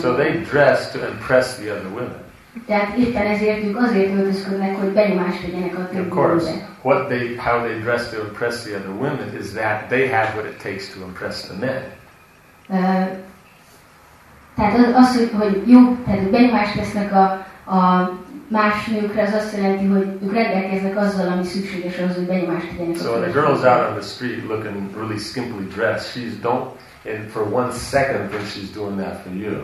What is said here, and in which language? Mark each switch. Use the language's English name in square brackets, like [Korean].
[English] So they dress to impress the other women. [Hungarian] Tehát éppen ezért ők azért öltözködnek, hogy benyomást tegyenek a többi nőkre. [English] What they, how they dress to impress the other women is that they have what it takes to impress the men. [Hungarian] Tehát az, hogy jó, tehát benyomást tesznek a más nőkre, az azt jelenti, hogy ők rendelkeznek azzal, ami szükséges ahhoz, hogy benyomást tegyenek. [English] So when a girl's out on the street looking really skimpily dressed, she's don't, and for one second think she's doing that for you.